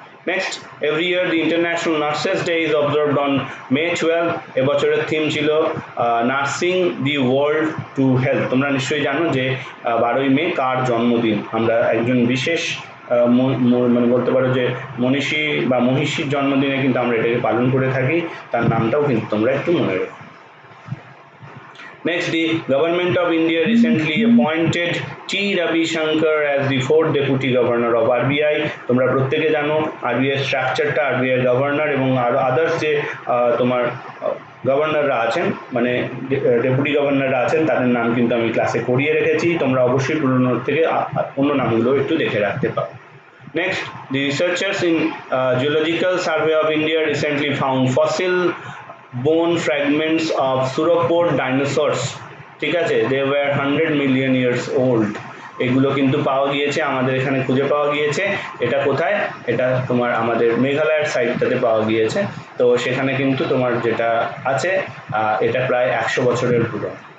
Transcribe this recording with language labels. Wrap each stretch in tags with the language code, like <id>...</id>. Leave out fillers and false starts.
<en>next, every year the international nurses day is observed on May 12,</en> <bn>এবছরের theme ছিল</bn> <en>Nursing the world to health.</en> <bn>তোমরা নিশ্চয়ই জানো যে 12ই মে কার জন্মদিন, আমরা একজন বিশেষ মানে বলতে পারো যে মনীষী বা মহিষীর জন্মদিনে কিন্তু আমরা এটাকে পালন করে থাকি, তার নামটাও কিন্তু তোমরা একটু মনে রেখো।</bn> <en>Next, the government of India recently appointed T. Ravi Shankar as the 4th deputy governor of RBI.</en> <bn>তোমরা প্রত্যেকে জানো RBI স্ট্রাকচারটা, RBI গভর্নর এবং আরও আদার্স যে তোমার গভর্নররা আছেন মানে ডেপুটি গভর্নররা আছেন তাদের নাম কিন্তু আমি ক্লাসে করিয়ে রেখেছি, তোমরা অবশ্যই পুরনো থেকে অন্য নামগুলো একটু দেখে রাখতে পারো। Next,</bn> <en>the researchers in zoological survey of India recently found fossil bone fragments of sauropod dinosaurs,</en> <bn>ঠিক আছে,</bn> <en>they were 100 million years old,</en> <bn>এগুলো কিন্তু পাওয়া গিয়েছে আমাদের এখানে, খুঁজে পাওয়া গিয়েছে, এটা কোথায়, এটা তোমার আমাদের মেঘালয়ের সাইডটাতে পাওয়া গিয়েছে, তো সেখানে কিন্তু তোমার যেটা আছে এটা প্রায় 100 বছরের পুরো।</bn>